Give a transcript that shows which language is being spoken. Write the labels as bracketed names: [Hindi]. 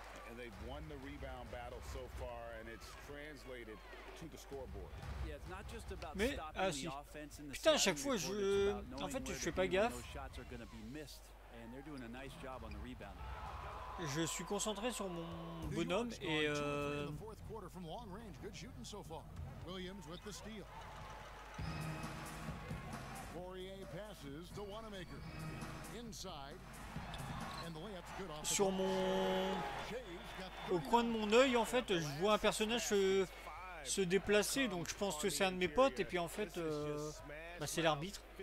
[English] And they've won the rebound battle so far, and it's translated to the scoreboard. Yeah, it's not just about stopping the offense in the second half. [French] Putain, chaque fois, en fait, je fais pas gaffe. [English] Those shots are going to be missed, and they're doing a nice job on the rebound. [French] Je suis concentré sur mon bonhomme et. [English] In the fourth quarter, from long range, good shooting so far. Williams with the steal. Poirier passes to Wanamaker inside, and the layup's good off. [French] Sur mon, au coin de mon œil, en fait, je vois un personnage se déplacer, donc je pense que c'est un de mes potes, et puis en fait, bah, c'est l'arbitre.